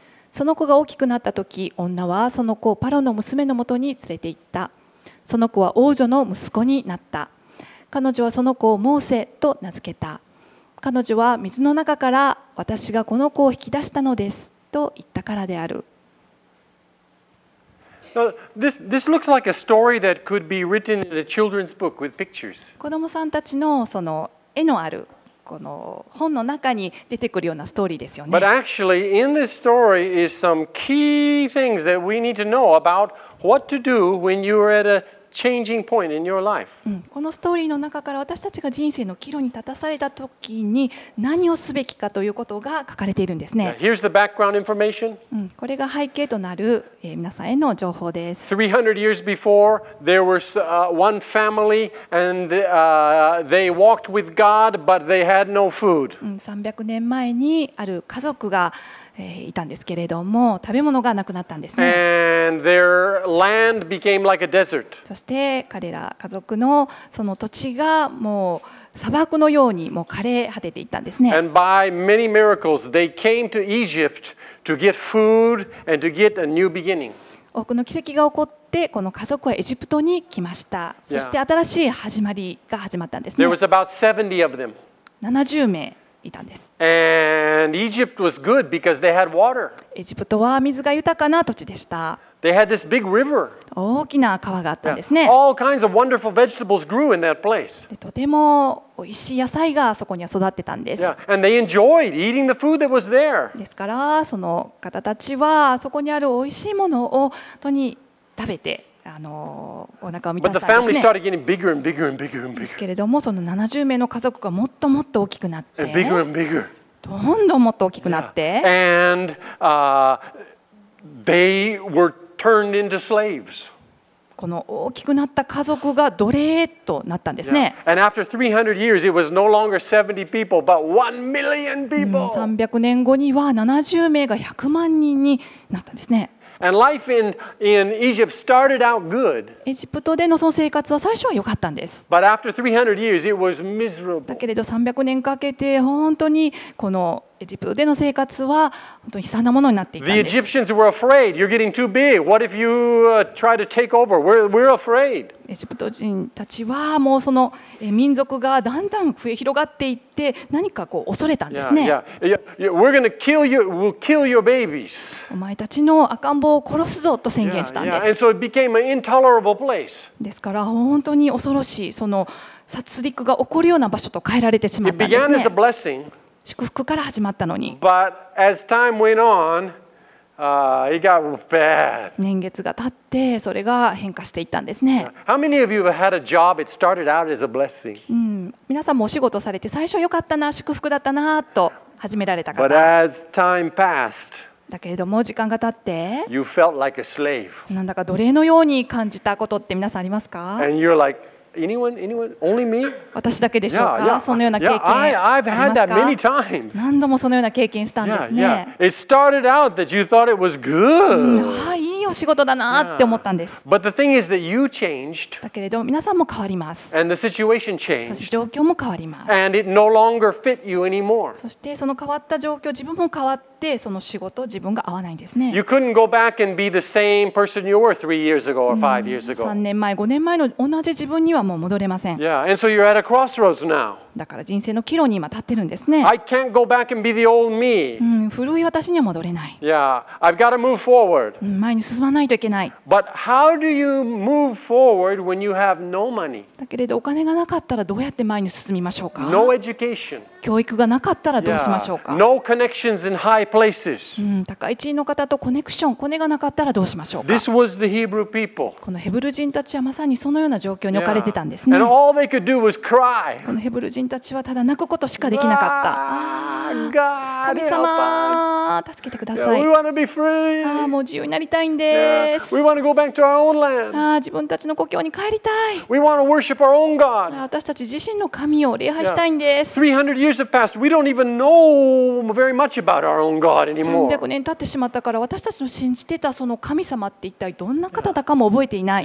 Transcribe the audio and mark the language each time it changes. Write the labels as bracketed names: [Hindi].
[Japanese] その子が大きくなったとき、女はその子をパロの娘のもとに連れて行った。その子は王女の息子になった。彼女はその子をモーセと名付けた。彼女は水の中から私がこの子を引き出したのですと言ったからである。 [English] This looks like a story that could be written in a children's book with pictures. [Japanese] 子供さんたちのその絵のあるこの本の中に出てくるようなストーリーですよね。 [English] But actually, in this story is some key things that we need to know about what to do when you are at a changing point in your life. [Japanese] このストーリーの中から私たちが人生の岐路に立たされた時に何をすべきかということが書かれているんですね。 [English] Here's the background information. [Japanese] これが背景となる皆さんへの情報です。 [English] 300 years before, there was one family and they walked with God, but they had no food. [Japanese] 300年前にある家族がいたんですけれども、食べ物がなくなったんですね。 [English] And their land became like a desert. [Japanese] そして彼ら家族のその土地がもう砂漠のようにもう枯れ果てていったんですね。 [English] And by many miracles, they came to Egypt to get food and to get a new beginning. [Japanese] 多くの奇跡が起こってこの家族はエジプトに来ました。そして新しい始まりが始まったんですね。 [English] There was about 70 of them. [Japanese] 70名。いたんです。 [English] And Egypt was good because they had water. [Japanese] エジプトは水が豊かな土地でした。 [English] They had this big river. [Japanese] 大きな川があったんですね。 [English] All kinds of wonderful vegetables grew in that place. [Japanese] とても美味しい野菜がそこには育ってたんです。 [English] Yeah. And they enjoyed eating the food that was there. [Japanese] ですからその方たちはそこにある美味しいものを本当に食べて。お腹を満たしたんですね。 [English] bigger and bigger and bigger and bigger. [Japanese] ですけれどもその70名の家族がもっともっと大きくなって [English] and bigger and bigger. [Japanese] どんどんもっと大きくなって、 [English] yeah. and, they were turned into slaves. [Japanese] この大きくなった家族が奴隷となったんですね。 [English] yeah. and after 300 years it was no longer 70 people but 1 million people. [Japanese] 300年後には70名が100万人になったんですね。 [English] And life in Egypt started out good. [Japanese] エジプトでのその生活は最初は良かったんです。 [English] But after 300 years, it was miserable. [Japanese] だけれど300年かけて本当にこのエジプトでの生活は本当に悲惨なものになっていたんです。 [English] The Egyptians were afraid. You're getting too big. What if you try to take over? We're afraid. [Japanese] エジプト人たちはもうその民族がだんだん増え広がっていって何かこう恐れたんですね。 [English] We're gonna kill you. We'll kill your babies. [Japanese] お前たちの赤ん坊を殺すぞと宣言したんです。 [English] And so it became an intolerable place. [Japanese] ですから本当に恐ろしいその殺戮が起こるような場所と変えられてしまったんですね。 [English] It began as a blessing. [Japanese] 祝福から始まったのに。 [English] But as time went on, it got bad. [Japanese] 年月が経ってそれが変化していったんですね。 [English] How many of you have had a job? It started out as a blessing. [Japanese] 皆さんもお仕事されて最初良かったな、祝福だったなと始められた方。 [English] But as time passed, [Japanese] だけれども時間が経って、 [English] you felt like a slave. [Japanese] なんだか奴隷のように感じたことって皆さんありますか？ [English] And you're like,Anyone? Only me? [Japanese] 私だけでしょうか？そのような経験ありますか？ [English] I've had that many times. [Japanese] 何度もそのような経験したんですね。 [English] It started out that you thought it was good. [Japanese] いいお仕事だなって思ったんです。 [English] But the thing is that you changed. [Japanese] だけれど皆さんも変わります。 [English] And the situation changed. [Japanese] そして状況も変わります。 [English] And it no longer fit you anymore. [Japanese] そしてその変わった状況、自分も変わってその仕事、自分が合わないんですね。 [English] You couldn't go back and be the same person you were 3 years ago or 5 years ago. [Japanese] 3年前、5年前の同じ自分にはもう戻れません。 [English] Yeah, and so you're at a crossroads now. [Japanese] だから人生の岐路に今立ってるんですね。 [English] I can't go back and be the old me. [Japanese] 古い私には戻れない。 [English] Yeah, I've got to move forward. [Japanese] 前に進まないといけない。 [English] But how do you move forward when you have no money? [Japanese] だけれどお金がなかったらどうやって前に進みましょうか？ [English] No education. [Japanese] 教育がなかったらどうしましょうか？ [English] Yeah. No connections in high places. [Japanese] 高い地位の方とコネクション、コネがなかったらどうしましょうか？ [English] This was the Hebrew people. [Japanese] このヘブル人たちはまさにそのような状況に置かれてたんですね。 [English] And all they could do was cry. [Japanese] このヘブル人たちはただ泣くことしかできなかった。神様、助けてください。 [English] We want to be free. [Japanese] もう自由になりたいんです。 [English] We want to go back to our own land. [Japanese] 自分たちの故郷に帰りたい。 [English] We want to worship our own God. [Japanese] 私たち自身の神を礼拝したいんです。 [English] 300 years have passed. We don't even know very much about our own God anymore. [Japanese] 300年経ってしまったから私たちの信じてたその神様って一体どんな方だかも覚えていない。